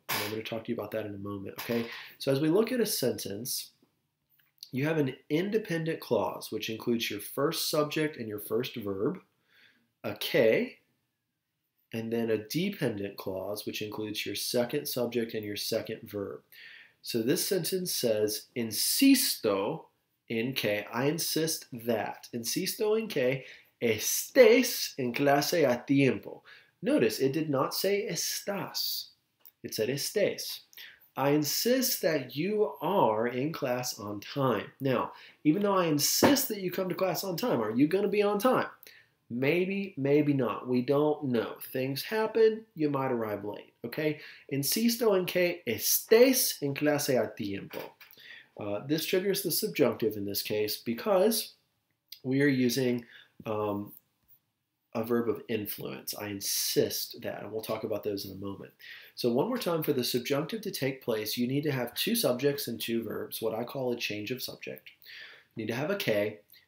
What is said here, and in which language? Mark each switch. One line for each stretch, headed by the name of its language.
English: And I'm going to talk to you about that in a moment, okay? So as we look at a sentence, you have an independent clause, which includes your first subject and your first verb, a K, and then a dependent clause, which includes your second subject and your second verb. So this sentence says,
Spanish: insisto en que,
English: I insist that.
Spanish: Insisto en que estés en clase a tiempo.
English: Notice it did not say estás, it said estés. I insist that you are in class on time. Now, even though I insist that you come to class on time, are you going to be on time? Maybe, maybe not. We don't know. Things happen. You might arrive late. Okay?
Spanish: Insisto en que estés en clase a tiempo.
English: This triggers the subjunctive in this case because we are using a verb of influence. I insist that. And we'll talk about those in a moment. So, one more time, for the subjunctive to take place, you need to have two subjects and two verbs, what I call a change of subject. You need to have a K.